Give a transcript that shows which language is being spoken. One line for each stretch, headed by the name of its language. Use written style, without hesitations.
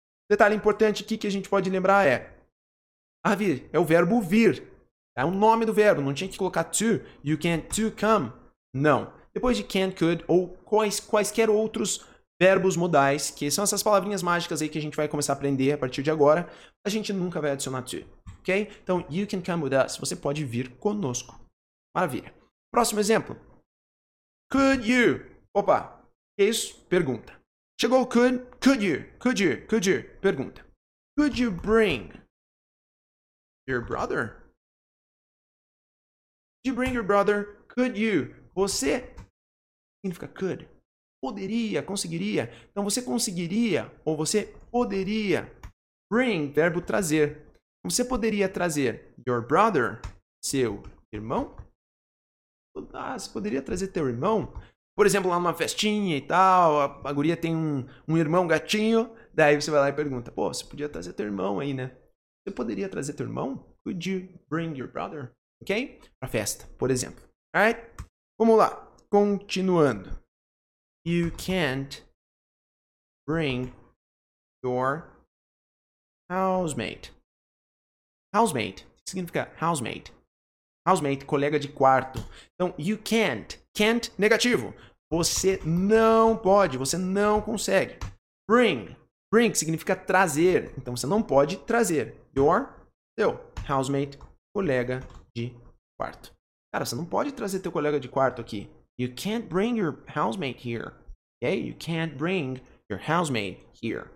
Portuguese: Detalhe importante aqui que a gente pode lembrar é vir. É o verbo vir. É o nome do verbo. Não tinha que colocar to.
English: You can to come.
Portuguese: Não. Depois de can, could ou quaisquer outros verbos modais, que são essas palavrinhas mágicas aí que a gente vai começar a aprender a partir de agora, a gente nunca vai adicionar to. Ok?
English: Então, you can come with us.
Portuguese: Você pode vir conosco. Maravilha. Próximo exemplo.
English: Could you?
Portuguese: Opa. Que isso? Pergunta. Chegou o could? Could you? Could you? Could you? Pergunta.
English: Could you bring your brother? Could you bring your brother? Could you?
Portuguese: Você? Significa
English: could.
Portuguese: Poderia, conseguiria. Então, você conseguiria ou você poderia. Bring, verbo trazer. Você poderia trazer
English: your brother,
Portuguese: seu irmão? Ah, você poderia trazer teu irmão? Por exemplo, lá numa festinha e tal, a guria tem um irmão gatinho. Daí você vai lá e pergunta, pô, você podia trazer teu irmão aí, né? Você poderia trazer teu irmão?
English: Could you bring your brother?
Portuguese: Ok? Pra festa, por exemplo. Alright? Vamos lá.
English: Continuando. You can't bring your Housemate. Housemate.
Portuguese: O que significa housemate? Housemate, colega de quarto. Então,
English: you can't.
Portuguese: Can't, negativo. Você não pode. Você não consegue. Bring. Bring significa trazer. Então, você não pode trazer. Your, seu. Housemate, colega de quarto. Cara, você não pode trazer teu colega de quarto aqui.
English: You can't bring your housemate here. Okay? You can't bring your housemate here.